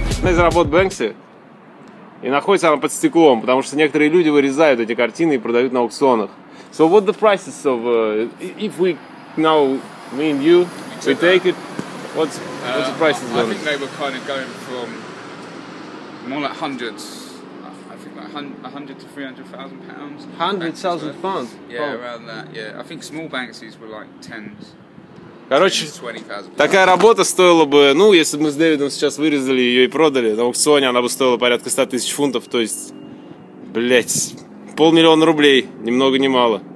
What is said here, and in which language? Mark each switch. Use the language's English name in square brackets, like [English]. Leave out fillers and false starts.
[Russian] Из работ Бэнкси и находится она под стеклом, потому что некоторые люди вырезают эти картины и продают на аукционах. [English] So what the prices of if we now me and you we take it, what's the prices? I think they were kind of going from more like hundreds. I think like 100 to 300,000 pounds. 100,000 pounds. Yeah, around that. Yeah, I think small Banksys were like tens. [Russian] Короче, такая работа стоила бы, ну, если бы мы с Дэвидом сейчас вырезали ее и продали, на аукционе она бы стоила порядка 100 тысяч фунтов, то есть, блядь, 500,000 рублей, ни много ни мало.